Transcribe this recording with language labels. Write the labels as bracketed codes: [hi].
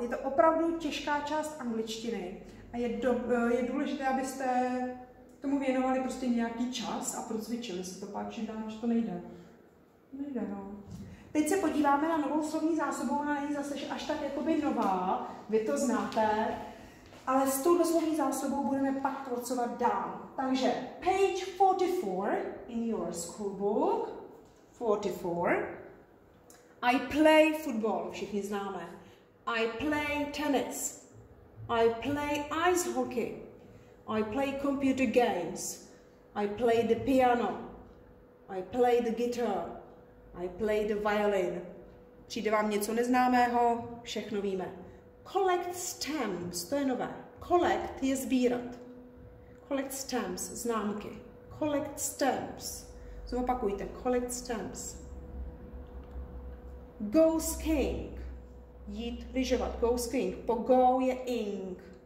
[cs] Je to opravdu těžká část angličtiny. A je důležité, abyste tomu věnovali prostě nějaký čas a procvičili se to pak, že to nejde. Nejde, no. Teď se podíváme na novou slovní zásobu, ona není zase až tak jakoby nová, vy to znáte, ale s touto slovní zásobou budeme pak pracovat dál. Takže [en] page 44 in your school book, 44, I play football, [cs] všichni známe, [en] I play tennis, I play ice hockey, I play computer games, I play the piano, I play the guitar, I play the violin. [cs] Přijde vám něco neznámého? Všechno víme. Collect stamps, to je nové. Collect je sbírat. Collect stamps, známky. Collect stamps. Zopakujte, collect stamps. Go skiing, jít lyžovat. Go skiing, po go je ing.